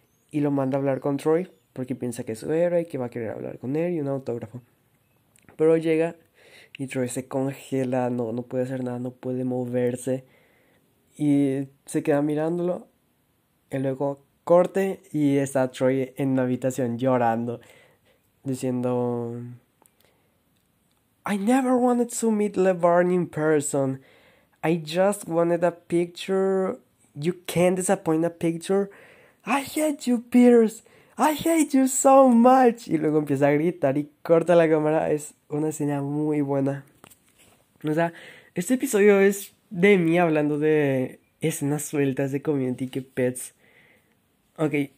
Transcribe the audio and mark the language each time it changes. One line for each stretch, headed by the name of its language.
Spanish: Y lo manda a hablar con Troy. Porque piensa que es su héroe y que va a querer hablar con él y un autógrafo. Pero llega y Troy se congela. No, no puede hacer nada. No puede moverse. Y se queda mirándolo. Y luego corte. Y está Troy en una habitación llorando. Diciendo:
English: I never wanted to meet LeBaron in person. I just wanted a picture. You can't disappoint a picture. I hate you, Pierce. I hate you so much.
Spanish: Y luego empieza a gritar y corta la cámara. Es una escena muy buena. O sea, este episodio es de mí hablando de escenas sueltas de Community que Pets. Ok.